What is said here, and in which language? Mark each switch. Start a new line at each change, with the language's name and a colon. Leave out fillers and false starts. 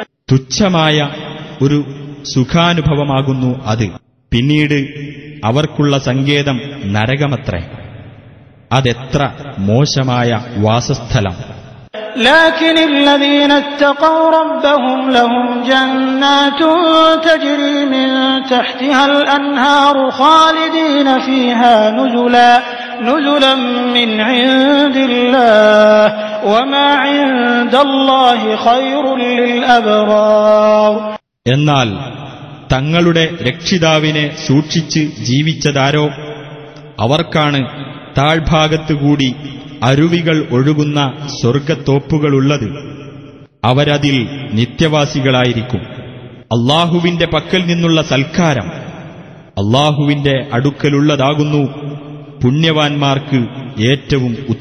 Malayalam: തുച്ഛമായ ഒരു സുഖാനുഭവമാകുന്നു അത്. പിന്നീട് അവർക്കുള്ള സങ്കേതം നരകമത്രേ. അതെത്ര മോശമായ വാസസ്ഥലം.
Arabic: لكن الذين اتقوا ربهم لهم جنات تجري من تحتها الأنهار خالدين فيها نزلا من عند الله وما عند الله خير للأبرار.
Malayalam: എന്നാൽ തങ്ങളുടെ രക്ഷിതാവിനെ സൂക്ഷിച്ച് ജീവിച്ചതാരോ അവർക്കാണ് താഴ്ഭാഗത്തുകൂടി അരുവികൾ ഒഴുകുന്ന സ്വർഗത്തോപ്പുകളുള്ളത്. അവരതിൽ നിത്യവാസികളായിരിക്കും. അല്ലാഹുവിന്റെ പക്കൽ നിന്നുള്ള സൽക്കാരം അല്ലാഹുവിന്റെ അടുക്കലുള്ളതാകുന്നു പുണ്യവാന്മാർക്ക് ഏറ്റവും